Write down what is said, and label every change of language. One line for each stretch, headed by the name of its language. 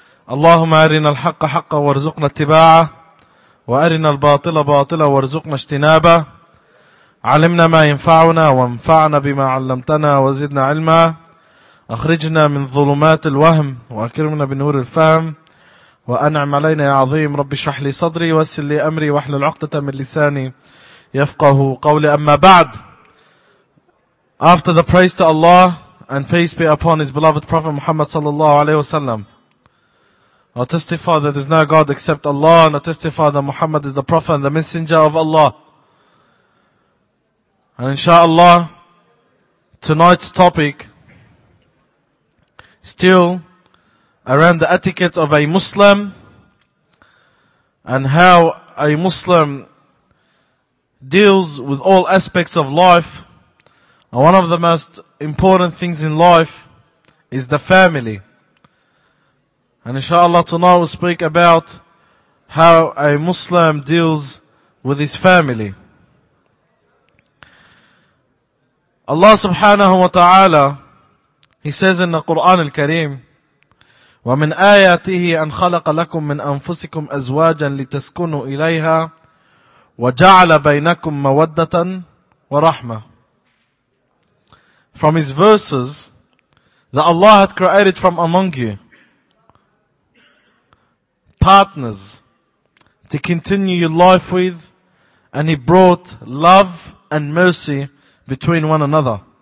Arabic: اللهم أرنا الحق حقا وارزقنا اتباعه، وأرنا الباطل باطلا وارزقنا اجتنابه، علمنا ما ينفعنا وانفعنا بما علمتنا وزدنا علما، أخرجنا من ظلمات الوهم وأكرمنا بنور الفهم، وأنعم علينا يا عظيم. رب اشرح لي صدري ويسر لي أمري واحلل عقدة من لساني يفقه قولي. أما بعد،
English: after the praise to Allah and peace be upon His beloved Prophet Muhammad sallallahu alayhi wasallam, I testify that there is no God except Allah, and I testify that Muhammad is the Prophet and the Messenger of Allah. And inshallah, tonight's topic still around the etiquette of a Muslim and how a Muslim deals with all aspects of life. And one of the most important things in life is the family. And inshallah tonight we'll speak about how a Muslim deals with his family. Allah subhanahu wa ta'ala, He says in the Quran al-Kareem,
Arabic: وَمِنْ آيَاتِهِ أَنْ خَلَقَ لَكُمْ مِنْ أَنفُسِكُمْ أَزْوَاجًا لِتَسْكُنُوا إِلَيْهَا وَجَعْلَ بَيْنَكُمْ مَوَدَّةً وَرَحْمَةً.
English: From His verses, that Allah had created from among you partners to continue your life with, and He brought love and mercy between one another.